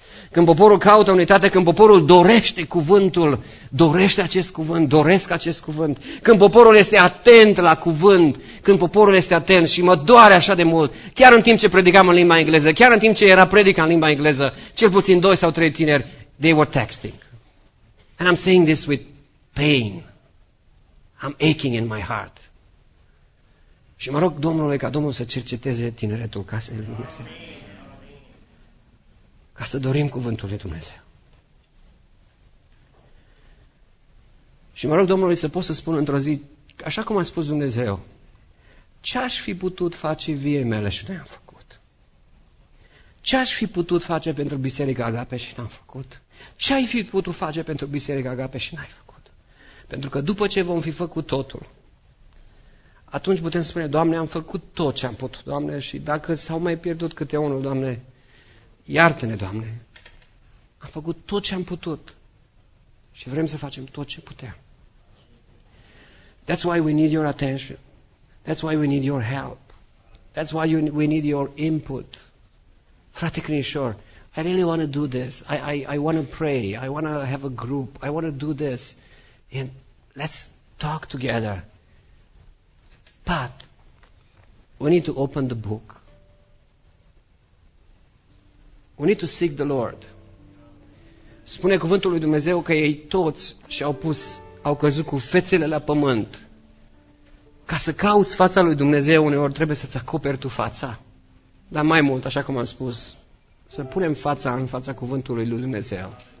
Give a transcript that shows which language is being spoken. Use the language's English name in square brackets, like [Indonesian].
[Romanian] Când poporul caută unitatea, când poporul dorește cuvântul, dorește acest cuvânt, doresc acest cuvânt. Când poporul este atent la cuvânt, când poporul este atent și mă doare așa de mult, chiar în timp ce predicam în limba engleză, chiar în timp ce era predica în limba engleză, cel puțin doi sau trei tineri, [English] they were texting. And I'm saying this with pain. I'm aching in my heart. [Romanian] Și mă rog Domnului ca Domnul să cerceteze tineretul casei lui Dumnezeu. Ca să dorim cuvântul lui Dumnezeu. Și mă rog Domnului să pot să spun într-o zi, așa cum a spus Dumnezeu, ce aș fi putut face viei mele și n-am făcut? Ce aș fi putut face pentru Biserica Agape și n-am făcut? Ce ai fi putut face pentru Biserica Agape și n-ai făcut? Pentru că după ce vom fi făcut totul, atunci putem spune, Doamne, am făcut tot ce am putut, Doamne, și dacă s-au mai pierdut câte unul, Doamne, iartă-ne, Doamne, am făcut tot ce am putut și vrem să facem tot ce puteam. [English] That's why we need your attention. That's why we need your help. That's why we need your input. [Romanian] Frate Crișor, [English] I really want to do this. I want to pray. I want to have a group. I want to do this. And let's talk together. But we need to open the book. We need to seek the Lord. [Romanian] Spune cuvântul lui Dumnezeu că ei toți au căzut cu fețele la pământ. Ca să cauți fața lui Dumnezeu, uneori trebuie să-ți acoperi tu fața. Dar mai mult, așa cum am spus, să punem fața în fața cuvântului lui Dumnezeu.